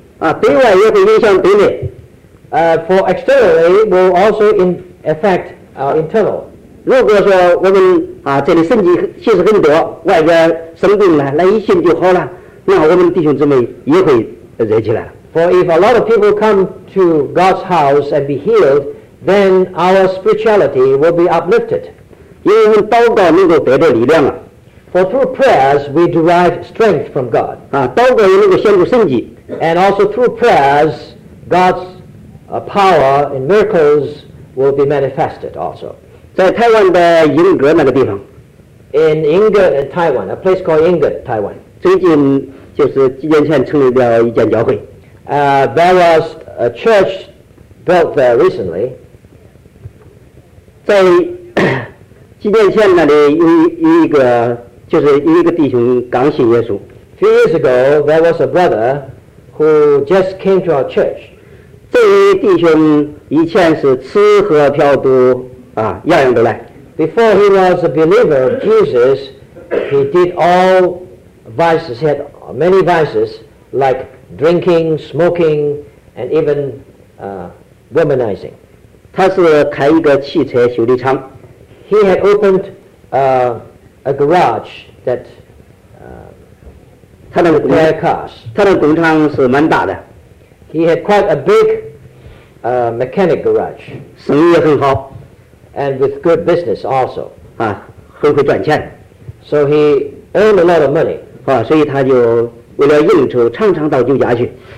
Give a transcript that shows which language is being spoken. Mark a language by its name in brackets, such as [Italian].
[English] For externally, it will also affect our internal. [Chinese] 如果说我们这里圣洁确实很多，外边生病了，来一信就好了，那我们弟兄姊妹也会热起来。 [English] For if a lot of people come to God's house and be healed, then our spirituality will be uplifted. For through prayers, we derive strength from God. And also through prayers, God's power and miracles will be manifested also. In Ingen, Taiwan, a place called Ingen, Taiwan. There was a church built there recently. [Chinese] 在几年前那里有一个弟兄刚信耶稣。 [English] Few years ago, there was a brother who just came to our church. [Chinese] 这位弟兄以前是吃喝嫖赌，样样都来。 [English] Before he was a believer of Jesus, he did all vices, he had many vices, like drinking, smoking, and even womanizing. [Chinese] 他是开一个汽车修理厂。 [English] He had opened a garage that had repair cars. [Chinese] 他的工厂是蛮大的。 [English] He had quite a big mechanic garage. [Chinese] 生意也很好。 [English] And with good business also. [Chinese] 很会赚钱。 [English] So he earned a lot of money. [Chinese] 所以他就为了应酬常常到舅家去。